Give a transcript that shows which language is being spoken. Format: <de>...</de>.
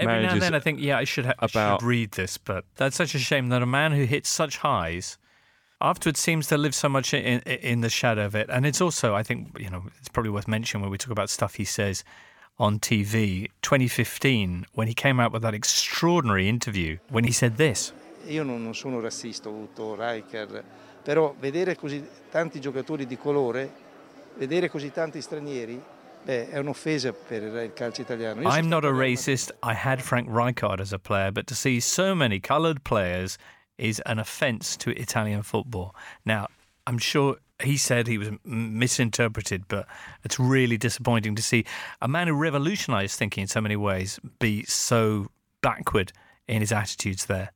<en>Every now and then I think, yeah, I should read this. But that's such a shame that a man who hits such highs afterwards seems to live so much in the shadow of it. And it's also, I think, you know, it's probably worth mentioning when we talk about stuff he says on TV, 2015, when he came out with that extraordinary interview, when he said this.</en> <it>Io non sono razzista, ho avuto Rijkaard, però vedere così tanti giocatori di colore, vedere così tanti stranieri, beh, è un'offesa per il calcio italiano.</it> <en>I'm not a racist. I had Frank Rijkaard as a player, but to see so many coloured players is an offence to Italian football. Now, I'm sure he said he was misinterpreted, but it's really disappointing to see a man who revolutionised thinking in so many ways be so backward in his attitudes there.</en>